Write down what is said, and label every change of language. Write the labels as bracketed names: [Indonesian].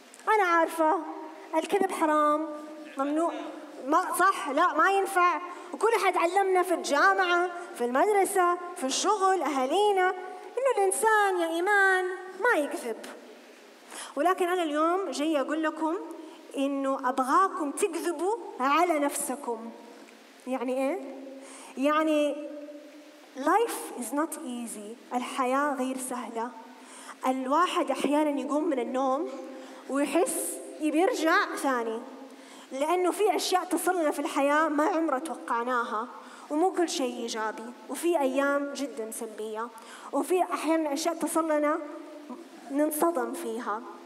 [Arabic] أنا عارفة الكذب حرام، ممنوع، ما صح، لا ما ينفع، وكل أحد علمنا في الجامعة في المدرسة في الشغل أهالينا إنه الإنسان يا إيمان ما يكذب. ولكن أنا اليوم جاي أقول لكم إنه أبغاكم تكذبوا على نفسكم. يعني إيه؟ يعني [English] life is not easy. [Arabic] الحياة غير سهلة. الواحد أحياناً يقوم من النوم ويحس يرجع ثاني، لأنه في أشياء تصلنا في الحياة ما عمرها توقعناها، ومو كل شيء إيجابي، وفي أيام جداً سلبية، وفي أحياناً أشياء تصلنا ننصدم فيها.